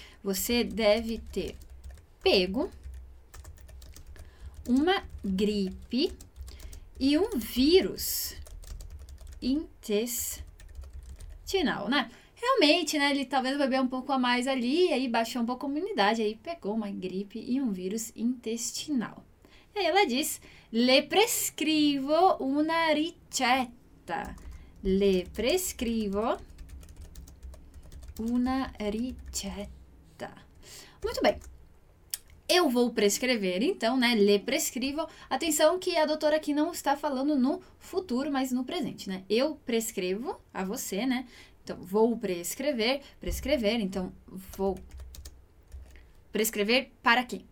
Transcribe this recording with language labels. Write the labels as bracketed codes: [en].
[pt] Você deve ter pego uma gripe e um vírus intestinal, né? Realmente, né, ele talvez bebeu um pouco a mais ali, aí baixou um pouco a imunidade, aí pegou uma gripe e um vírus intestinal. E aí ela diz, [it] le prescrivo una ricetta. Le prescrivo una ricetta. [pt] Muito bem. Eu vou prescrever, então, né, [it] le prescrivo. [pt] Atenção que a doutora aqui não está falando no futuro, mas no presente, né. Eu prescrevo a você, né. Então, vou prescrever, então, vou prescrever para quem?